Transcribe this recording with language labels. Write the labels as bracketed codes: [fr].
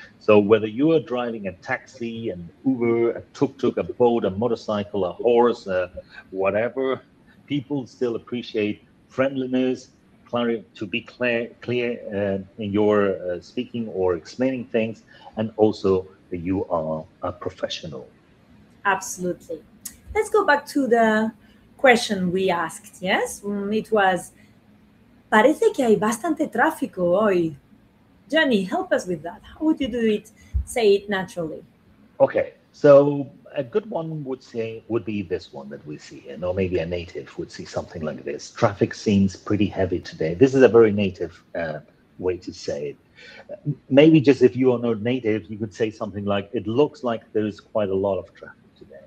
[en] So whether you are driving a taxi, an Uber, a tuk-tuk, a boat, a motorcycle, a horse, whatever, people still appreciate friendliness, clear in your speaking or explaining things, and also that you are a professional. Absolutely. Let's go back to the question we asked, yes? It was, [es] parece que hay bastante tráfico hoy. [en] Johnny, help us with that. How would you do it? Say it naturally. Okay, so a good one would be this one that we see here. Or maybe a native would see something like this. Traffic seems pretty heavy today. This is a very native way to say it. Maybe just if you are not native, you could say something like, it looks like there's quite a lot of traffic today.